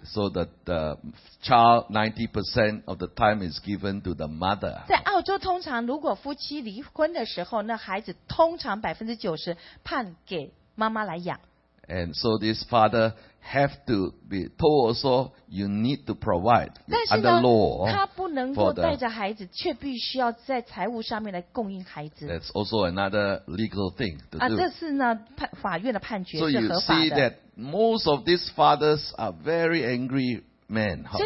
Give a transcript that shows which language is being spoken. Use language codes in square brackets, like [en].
[en] So the child 90% of the time is given to the mother. [zh] 在澳洲通常如果夫妻离婚的时候，那孩子通常90%判给妈妈来养。 [en] And so this father have to be told also you need to provide under law. [zh] 他不能够带着孩子，却必须要在财务上面来供应孩子。 [en] That's also another legal thing to do. [zh] 这是呢，法院的判决是合法的。 [en] So you see that most of these fathers are very angry men.